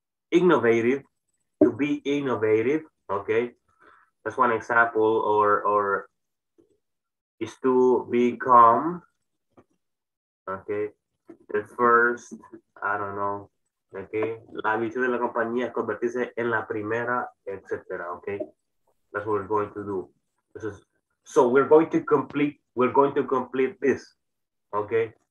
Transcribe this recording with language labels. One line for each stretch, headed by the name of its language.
English: innovative, to be innovative, okay? That's one example, or is to become, okay? The first, I don't know, okay?
Spanish: La virtud de la compañía es convertirse en la primera, etc., okay?
English: That's what we're going to do. This is, so we're going to complete, this, okay?